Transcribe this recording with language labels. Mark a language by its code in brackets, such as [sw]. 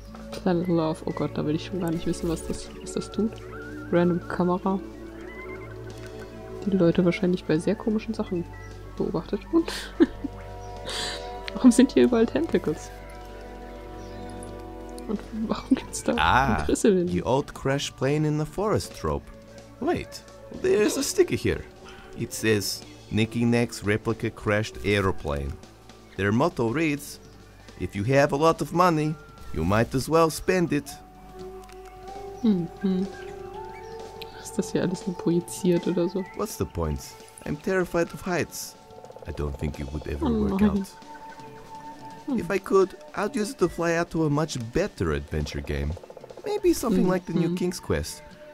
[de] Planet Love. Oh Gott, da will ich schon gar nicht wissen, was das tut. Random Kamera. Die Leute wahrscheinlich bei sehr komischen Sachen beobachtet. Und warum sind hier überall Tentacles? Und warum gibt's da einen Grissel hin? [en] The old crash plane in the forest trope. Wait, there's a sticker here. It says... Nicky Nack's replica crashed aeroplane. Their motto reads, if you have a lot of money, you might as well spend it. Hm. [de] Ist das hier alles nur projiziert oder so? [en] What's the point? I'm terrified of heights. I don't think it would ever work out. If I could, I'd use it to fly out to a much better adventure game. Maybe something like the new King's Quest.